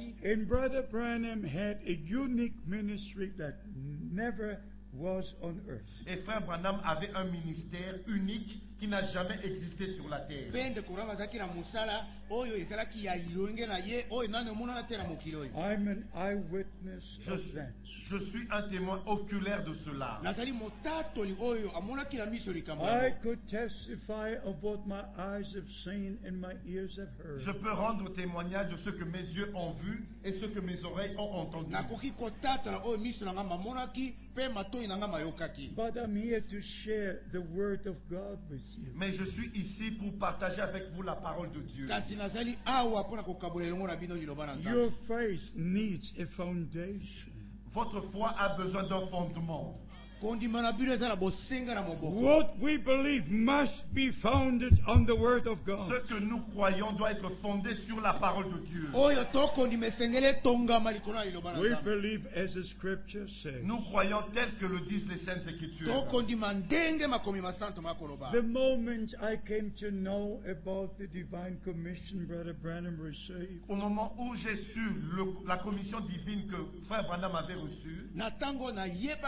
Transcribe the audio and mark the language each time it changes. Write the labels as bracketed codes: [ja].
[en] And Brother Branham had a unique ministry that never was on earth. [fr] Et Frère Branham avait un ministère unique qui n'a jamais existé sur la terre. [en] I'm an eyewitness of that. [fr] Je suis un témoin oculaire de cela. [en] I could testify of what my eyes have seen and my ears have heard. [fr] Je peux rendre témoignage de ce que mes yeux ont vu et ce que mes oreilles ont entendu. [en] But I'm here to share the word of God with you. [fr] Mais je suis ici pour partager avec vous la parole de Dieu. [en] Your faith needs a foundation. [fr] Votre foi a besoin d'un fondement. [en] What we believe must be founded on the word of God. [fr] Ce que nous croyons doit être fondé sur la parole de Dieu. [en] We believe as the scripture says. [fr] Nous croyons tel que le disent les saintes écritures. [en] The moment I came to know about the divine commission Brother Branham received. [fr] Au moment où j'ai su la commission divine que Frère Branham avait reçue.